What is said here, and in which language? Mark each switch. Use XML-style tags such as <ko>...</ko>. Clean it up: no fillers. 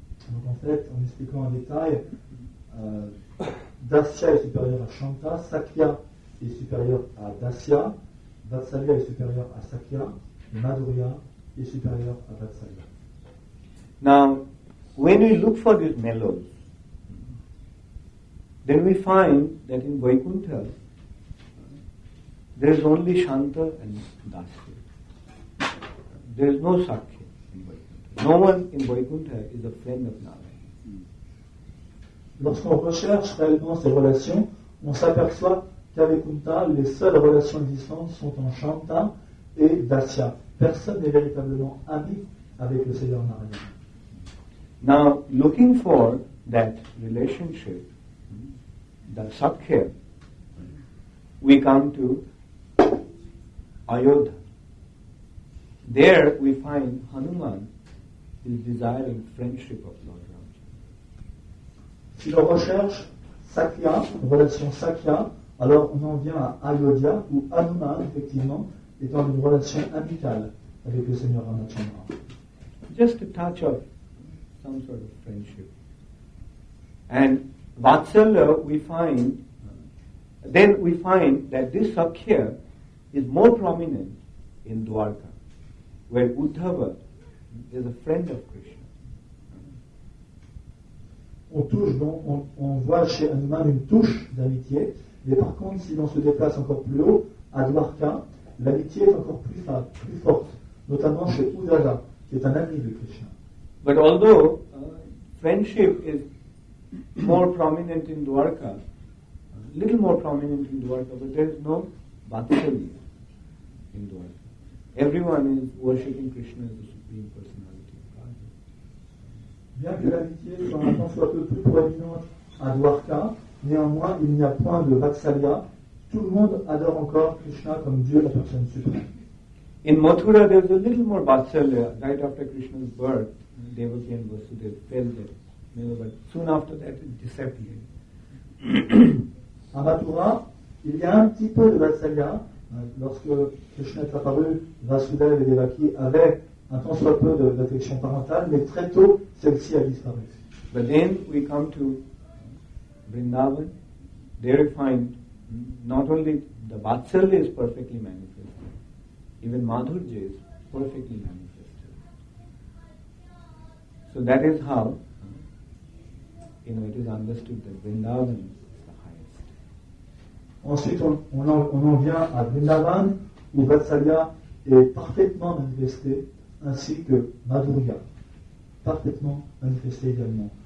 <fr>Donc en fait, en expliquant en détail, Dasya est supérieur à Shanta, Sakya est supérieur à Dasya, Vatsalya est supérieur à Sakya, Madhurya est supérieur à Vatsalya.</fr> <en>Now, when we look for these mellows, then we find that in Vaikuntha, there is only Shanta and Dasya. There is no Sakya in Vaikuntha. No one in Vaikuntha is a friend of Narayana.</en> <fr>Lorsqu'on recherche réellement ces relations, on s'aperçoit qu'à Vaikuntha, les seules relations existantes sont en Shanta et Dasya. Personne n'est véritablement ami avec le Seigneur Narayana.</fr> <en>Now, looking for that relationship, the Sakya, we come to Ayodhya. There we find Hanuman is desiring friendship of Lord Ram.</en> <fr>Si l'on recherche Sakya, relation Sakya, alors on en vient à Ayodhya, où Hanuman, effectivement, est en une relation amicale avec le Seigneur Ramachandra.</fr> <en>Just a touch of some sort of friendship. And Vatsalya, we find that this Sakya is more prominent in Dwarka, where Uddhava is a friend of Krishna.</en> <fr>On voit chez Hanuman une touche d'amitié. Mais par contre, si l'on se déplace encore plus haut, à Dwarka, l'amitié est encore plus forte, notamment chez Uddhava, qui est un ami de Krishna.</fr> <en>But although friendship is more prominent in Dwarka, little more prominent in Dwarka, but there is no Vatsalya in Dwarka. Everyone is worshipping Krishna as the Supreme Personality of Godhead.</en> <fr>Bien que l'amitié soit un peu plus prominente à Dwarka, néanmoins, il n'y a point de Vatsalya. Tout le monde adore encore Krishna comme Dieu, la personne suprême.</fr> <en>In Mathura, there's a little more Vatsalya. Right after Krishna's birth, Devaki and Vasudeva fell there. But soon after that, it disappeared.</en> <fr>À Mathura, il y a un petit peu de Vatsalya. Lorsque Krishna est apparu, Vasudeva et Devaki avaient un tant soit peu d'affection parentale, mais très tôt, celle-ci a disparu.</fr> <en>But then we come to Vrindavan, there you find not only the Vatsalya is perfectly manifested, even Madhurya is perfectly manifested. So that is how, you know, it is understood that Vrindavan is the highest.</en> <fr>Ensuite, on en vient à Vrindavan, où Vatsalya est parfaitement manifesté, ainsi que Madhurya, parfaitement manifesté également.</fr>